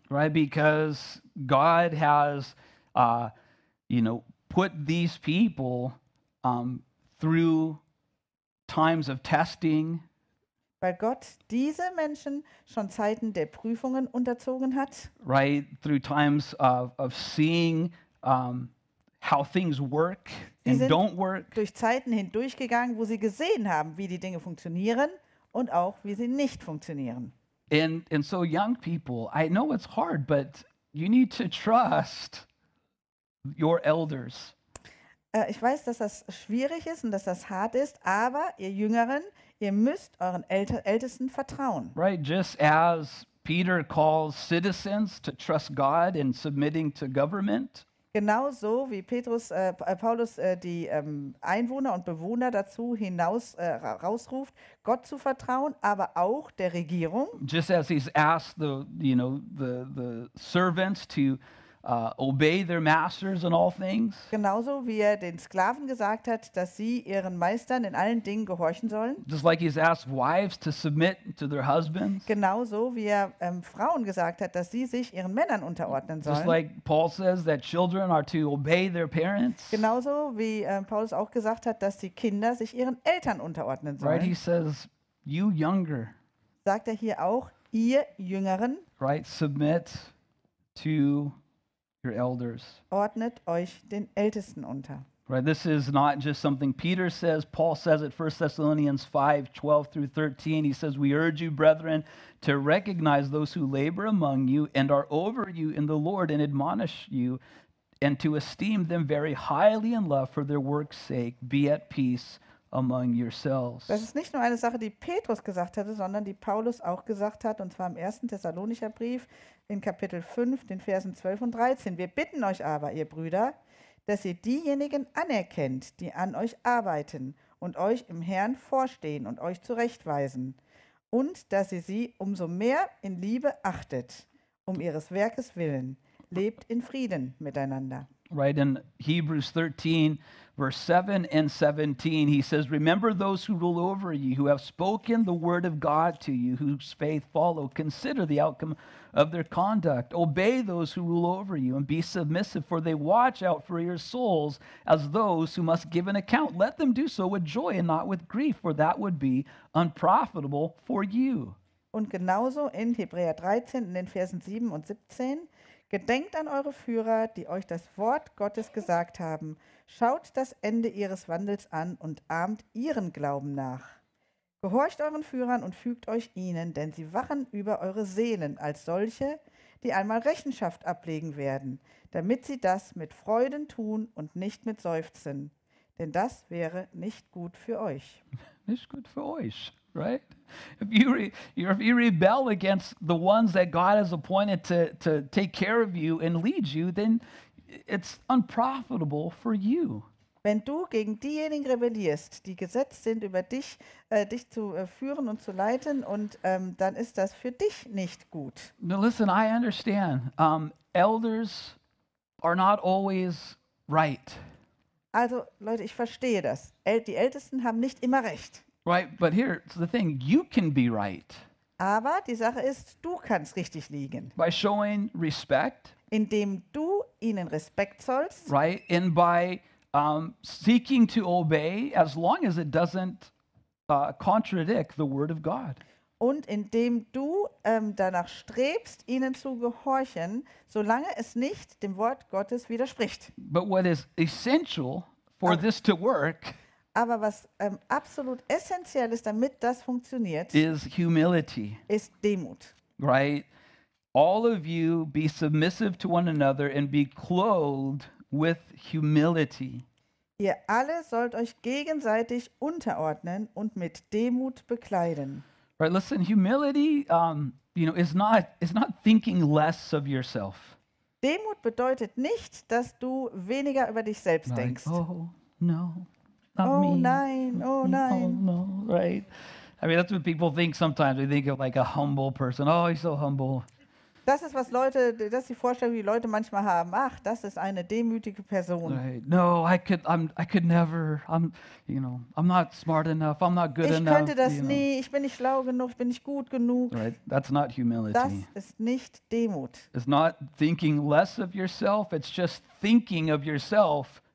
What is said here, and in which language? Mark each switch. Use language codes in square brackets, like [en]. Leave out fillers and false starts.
[en] Right, because God has, you know, put these people through times of testing. [de] Weil Gott diese Menschen schon Zeiten der Prüfungen unterzogen hat. [en] Right, through times of seeing how things work and don't work. [de] Durch Zeiten hindurchgegangen, wo sie gesehen haben, wie die Dinge funktionieren und auch wie sie nicht funktionieren. [en] And so young people, I know it's hard, but you need to trust your elders. [de] Ich weiß, dass das schwierig ist und dass das hart ist, aber ihr Jüngeren, ihr müsst euren Ältesten vertrauen. [en] Right, just as Peter calls citizens to trust God in submitting to government. [de] Genauso wie Paulus die Einwohner und Bewohner dazu hinaus rausruft, Gott zu vertrauen, aber auch der Regierung. [en] Just as he's asked the, you know, the servants to obey their masters in all things. [de] Genauso wie er den Sklaven gesagt hat, dass sie ihren Meistern in allen Dingen gehorchen sollen. [en] Just like he's asked wives to submit to their husbands. [de] Genauso wie er Frauen gesagt hat, dass sie sich ihren Männern unterordnen sollen. [en] Just like Paul says that children are to obey their parents. [de] Genauso wie Paulus auch gesagt hat, dass die Kinder sich ihren Eltern unterordnen sollen. [en] Right, he says, you younger. [de] Sagt er hier auch, ihr Jüngeren. [en] Right, submit to your elders. [de] Ordnet euch den Ältesten unter. [en] Right, this is not just something Peter says. Paul says it 1 Thessalonians 5:12-13. He says, we urge you, brethren, to recognize those who labor among you and are over you in the Lord and admonish you and to esteem them very highly in love for their work's sake. Be at peace among yourselves. [de] Das ist nicht nur eine Sache, die Petrus gesagt hatte, sondern die Paulus auch gesagt hat, und zwar im 1. Thessalonicher Brief in Kapitel 5, den Versen 12 und 13. Wir bitten euch aber, ihr Brüder, dass ihr diejenigen anerkennt, die an euch arbeiten und euch im Herrn vorstehen und euch zurechtweisen und dass ihr sie umso mehr in Liebe achtet, um ihres Werkes willen. Lebt in Frieden miteinander. [en] Right in Hebrews 13, verse 7 and 17, he says, remember those who rule over you, who have spoken the word of God to you, whose faith follow. Consider the outcome of their conduct. Obey those who rule over you and be submissive, for they watch out for your souls as those who must give an account. Let them do so with joy and not with grief, for that would be unprofitable for you. [de] Und genauso in Hebräer 13, in den Versen 7 und 17, gedenkt an eure Führer, die euch das Wort Gottes gesagt haben. Schaut das Ende ihres Wandels an und ahmt ihren Glauben nach. Gehorcht euren Führern und fügt euch ihnen, denn sie wachen über eure Seelen als solche, die einmal Rechenschaft ablegen werden, damit sie das mit Freuden tun und nicht mit Seufzen. Denn das wäre nicht gut für euch. Nicht gut für euch, right? [en] If you rebel against the ones that God has appointed to take care of you and lead you, then it's unprofitable for you. [de] Wenn du gegen diejenigen rebellierst, die gesetzt sind, über dich dich zu führen und zu leiten, und dann ist das für dich nicht gut. [en] Now listen, I understand. Elders are not always right. [de] Also Leute, ich verstehe das. Die Ältesten haben nicht immer recht. [en] Right, but here's the thing, you can be right. [de] Aber die Sache ist, du kannst richtig liegen. [en] By showing respect. [de] Indem du ihnen Respekt zollst. [en] Right, and by seeking to obey, as long as it doesn't contradict the word of God. [de] Und indem du danach strebst, ihnen zu gehorchen, solange es nicht dem Wort Gottes widerspricht. [en] But what is essential for this to work? [de] Aber was absolut essentiell ist, damit das funktioniert, [en] is humility. [de] Ist Demut. [en] Right? All of you be submissive to one another and be clothed with humility. [de] Ihr alle sollt euch gegenseitig unterordnen und mit Demut bekleiden. [en] Right, listen, humility is not thinking less of yourself. [de] Demut bedeutet nicht, dass du weniger über dich selbst denkst. [en] Like, oh, no. Not oh me. [de] Nein, oh nein. [en] Oh no, right. I mean, that's what people think sometimes. We think of like a humble person. Oh, he's so humble. [de] Das ist was Leute, das ist die Vorstellung, die Leute manchmal haben. Ach, das ist eine demütige Person. [en] No, I could never. I'm not smart enough. I'm not good enough. [de] Ich könnte das nie. Ich bin nicht schlau genug. Ich bin nicht gut genug. [en] Right, that's not humility. [de] Das ist nicht Demut. [en] It's not thinking less of yourself. It's just thinking of yourself.